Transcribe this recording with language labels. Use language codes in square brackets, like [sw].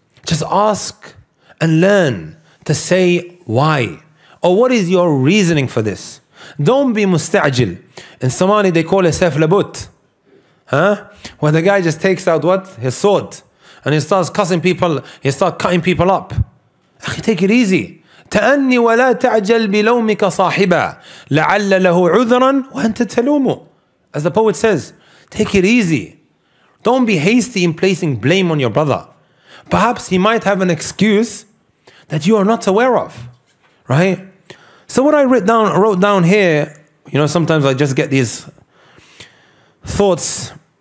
[en] Just ask and learn to say why. Or what is your reasoning for this? Don't be musta'ajil. In Somali, they call it saf labut. Huh? Where the guy just takes out what? His sword. And he starts cussing people. He starts cutting people up. Akhi, take it easy. [ar] تأني ولا تعجل بلومك صاحبا لعل له عذرا وأنت تلومه. [en] As the poet says, take it easy. Don't be hasty in placing blame on your brother. Perhaps he might have an excuse that you are not aware of. Right? So what I wrote down here, you know, sometimes I just get these thoughts.